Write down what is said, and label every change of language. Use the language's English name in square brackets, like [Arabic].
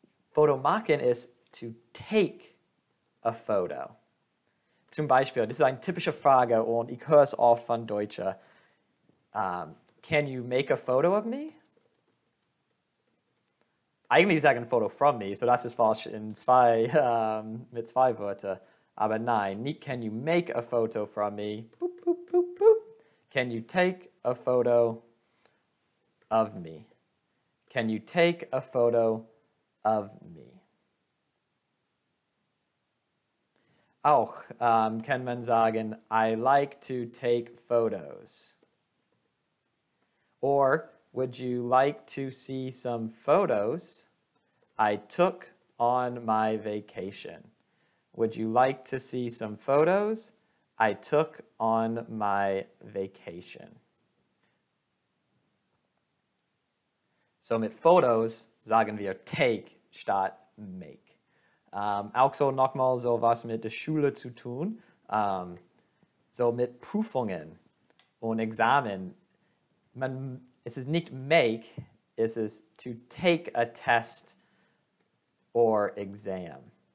[English] Foto machen ist to take a photo. [German] Zum Beispiel, das ist eine typische Frage und ich höre es oft von Deutschen. [English] Can you make a photo of me? [German] Eigentlich sagen Foto [English] from me, [German] so das ist falsch in mit zwei Wörtern. Aber nein, nicht [English] can you make a photo from me. Boop, boop, boop, boop. Can you take a photo of me? Can you take a photo of me. [German] Auch kann man sagen, [English] I like to take photos. Or, would you like to see some photos I took on my vacation? Would you like to see some photos I took on my vacation? [German] So mit photos sagen wir take statt make. Auch so nochmal so was mit der Schule zu tun. So mit Prüfungen und Examen. Man, es ist nicht make, es ist [English] to take a test or exam.